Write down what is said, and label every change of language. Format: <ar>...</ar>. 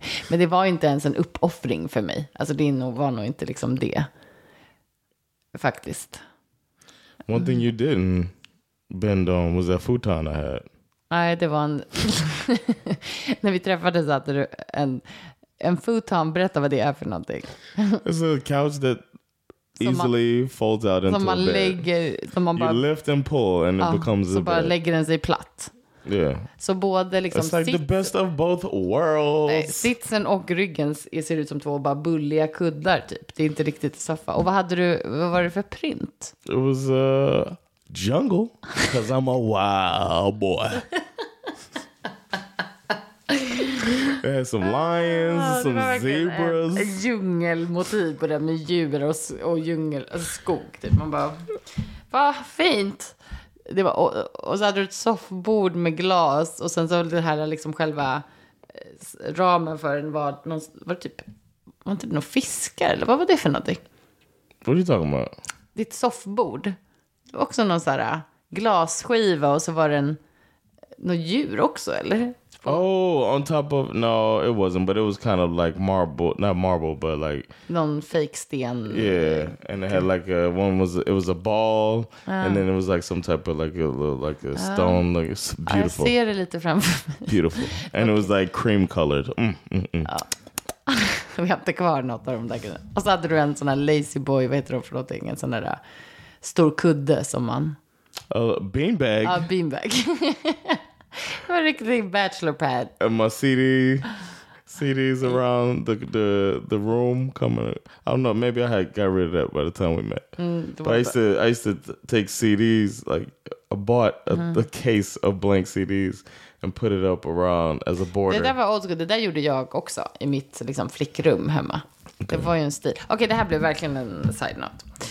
<sv>Men det var ju inte ens en uppoffring för mig. Alltså det var nog inte liksom det. Faktiskt.</sv> <en>One thing you didn't bend on was that futon I had.</en> <sv>Nej, det var en... När vi träffades så hade du en futon. Berätta vad det är för någonting.</sv> <en>It's a couch that easily folds out into a bed.</en> <sv>Som man lägger... Som man bara,</sv> <en>you lift and pull and it becomes a bed.</en> <sv>Så bara lägger den sig platt.</sv> <en>Yeah.</en> <sv>Så både liksom</sv> <en>it's like the best of both worlds.</en> <sv>Sitsen och ryggen ser ut som två bara bulliga kuddar typ. Det är inte riktigt soffa. Och vad var det för print?</sv> <en>It was jungle because I'm a wild boy. It had some lions, some zebras.</en> <sv>En djungelmotiv på det med djur och djungel och skog typ. Man bara vad fint. Det var, och så hade du ett soffbord med glas och sen så var det här liksom själva ramen för den var någon, var det typ, var det inte någon fiskar eller vad var det för någonting? Vad är du</sv> <en>talking about?</en> <sv>Ditt soffbord. Det var också någon så här glasskiva och så var det något djur också eller?</sv> <en>Oh, on top of, no, it wasn't, but it was kind of like marble, not marble, but like...</en> <sv>Någon fake sten.</sv> <en>Yeah, and it had like a ball, and then it was like some type of like a stone, like it's beautiful.</en> <sv>Jag ser det lite framför mig.</sv> <en>Beautiful. And okay. It was like cream colored.</en> <sv>Vi har inte kvar något av de där grejerna. Och så hade du en sån här lazy boy, vad heter de för någonting, en sån där stor kudde som man...</sv> <en>Beanbag.</en> <sv>Ja, beanbag. Det var riktigt bachelor pad.</sv> <en>And my CDs around the room coming. I don't know, maybe I had got rid of that by the time we met. But I used to take CDs, like I bought a case of blank CDs and put it up around as a border.</en> <sv>Det där var old school. Det där gjorde jag också i mitt liksom flickrum hemma. Okay. Det var ju en stil. Okej, det här blev verkligen en side note.</sv>